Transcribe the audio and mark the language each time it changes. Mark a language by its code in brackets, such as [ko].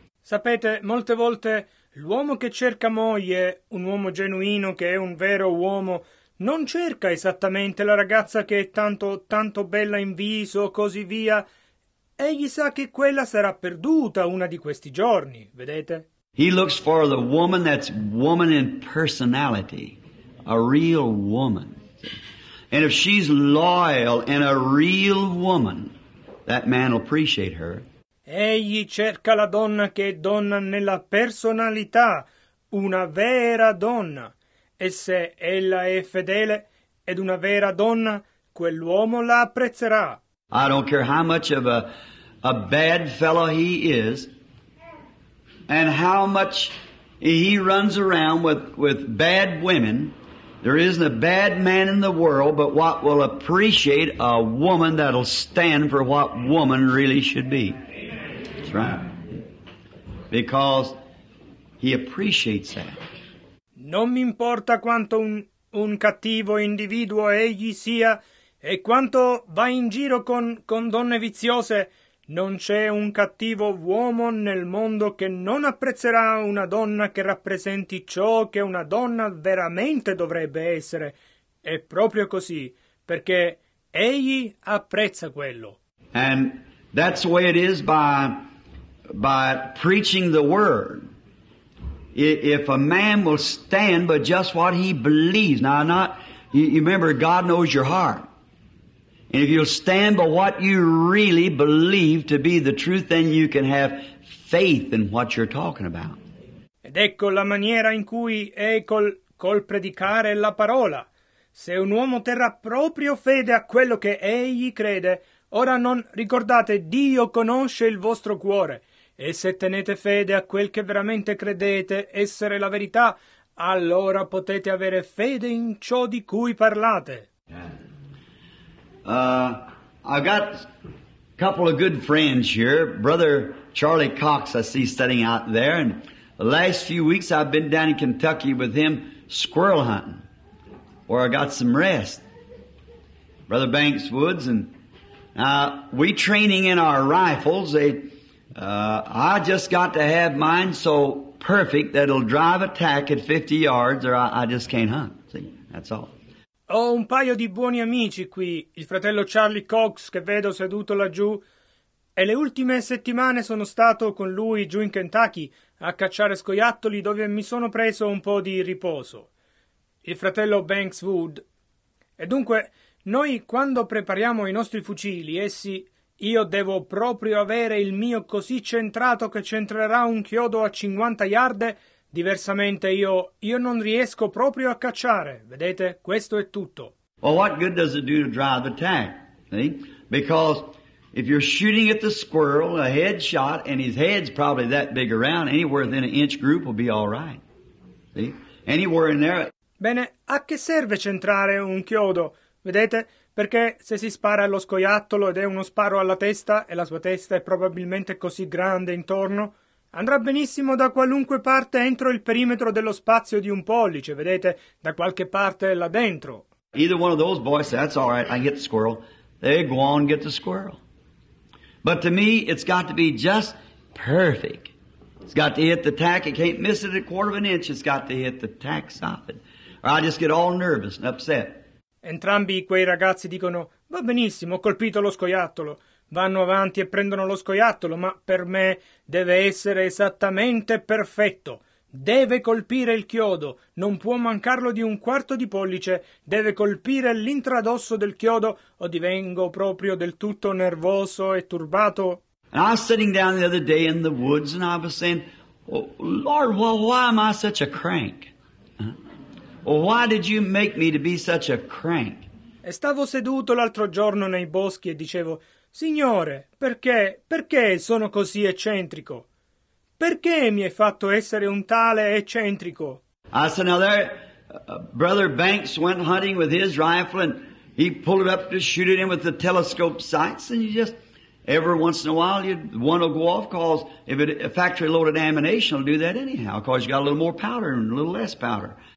[it] Sapete, molte volte l'uomo che cerca moglie, un uomo genuino che è un vero uomo, non cerca esattamente la ragazza che è tanto, tanto bella in viso, così via. Egli sa che quella sarà perduta una di questi giorni, vedete? [en] He looks for the woman that's woman in personality, a real woman. And if she's loyal and a real woman, that man will appreciate her. [it] Egli cerca la donna che è donna nella personalità, una vera donna. E se ella è fedele ed una vera donna, quell'uomo la apprezzerà. [en] I don't care how much of a bad fellow he is, and how much he runs around with bad women. There isn't a bad man in the world but what will appreciate a woman that'll stand for what woman really should be. That's right. Because he appreciates that. [it] Non mi importa quanto un cattivo individuo egli sia e quanto va in giro con donne viziose, non c'è un cattivo uomo nel mondo che non apprezzerà una donna che rappresenti ciò che una donna veramente dovrebbe essere. È proprio così, perché egli apprezza quello. [en] And that's the way it is by preaching the word. If a man will stand by just what he believes. Now, not you remember, God knows your heart. And if you'll stand by what you really believe to be the truth, then you can have faith in what you're talking about. [it] Ed ecco la maniera in cui è col predicare la parola. Se un uomo terrà proprio fede a quello che egli crede, ora non ricordate, Dio conosce il vostro cuore. E se tenete fede a quel che veramente credete essere la verità, allora potete avere fede in ciò di cui parlate. [en] I've got a couple of good friends here. Brother Charlie Cox, I see, studying out there. And the last few weeks, I've been down in Kentucky with him squirrel hunting, where I got some rest. Brother Banks Woods, and we training in our rifles. I just got to have mine so perfect that it'll drive a tack at 50 yards, or I just can't hunt. See, that's all. [it] Ho un paio di buoni amici qui, il fratello Charlie Cox che vedo seduto laggiù, e le ultime settimane sono stato con lui giù in Kentucky a cacciare scoiattoli dove mi sono preso un po' di riposo. Il fratello Banks Wood. E dunque, noi quando prepariamo i nostri fucili, essi, io devo proprio avere il mio così centrato che centrerà un chiodo a 50 yarde. Diversamente io non riesco proprio a cacciare, vedete? Questo è tutto. [en] Well, what good does it do to drive the tack? See? Because if you're shooting at the squirrel, a head shot, and his head's probably that big around, anywhere within an inch group will be all right. See? Anywhere in there. [it] Bene, a che serve centrare un chiodo? Vedete? Perché se si spara allo scoiattolo ed è uno sparo alla testa, e la sua testa è probabilmente così grande intorno, andrà benissimo da qualunque parte entro il perimetro dello spazio di un pollice, vedete, da qualche parte là dentro. [en] Either one of those boys, that's all right, I get the squirrel. They go on and get the squirrel. But to me, it's got to be just perfect. It's got to hit the tack, it can't miss it at a quarter of an inch, it's got to hit the tack solid. Or I just get all nervous and upset. [it] Entrambi quei ragazzi dicono, va benissimo, ho colpito lo scoiattolo. Vanno avanti e prendono lo scoiattolo, ma per me deve essere esattamente perfetto. Deve colpire il chiodo, non può mancarlo di un quarto di pollice, deve colpire l'intradosso del chiodo o divengo proprio del tutto nervoso e turbato. [en] And I was sitting down the other day in the woods and I was saying, oh, Lord, well, why am I such a crank? Well, why did you make me to be such a crank? [it] E stavo seduto l'altro giorno nei boschi e dicevo, Signore, perché sono così eccentrico? Perché mi hai fatto essere un tale eccentrico? [en] I said, now there, Brother Banks went hunting with his rifle and he pulled it up to shoot at him with the telescope sights and you just, every once in a while, one will go off because if it, a factory loaded ammunition will do that anyhow because you got a little more powder and a little less powder.